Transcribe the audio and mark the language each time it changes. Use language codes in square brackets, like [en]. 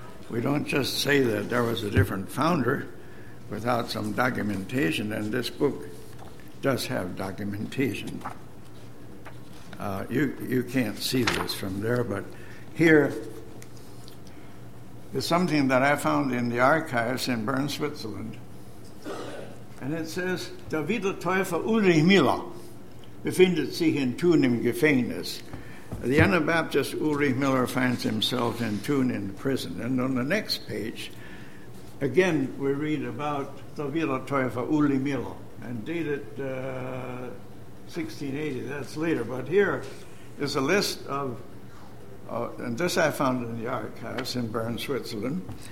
[en] We don't just say that there was a different founder without some documentation, and this book does have documentation. You can't see this from there, but here is something that I found in the archives in Bern, Switzerland. And it says, [de] Der Wiedertäufer Ulrich Miller befindet sich in Thun im Gefängnis. [en] The Anabaptist Ulrich Miller finds himself in Thun in prison. And on the next page, again, we read about the Wiedertäufer Ulrich Miller, and dated 1680. That's later. But here is a list of, and this I found in the archives in Bern, Switzerland.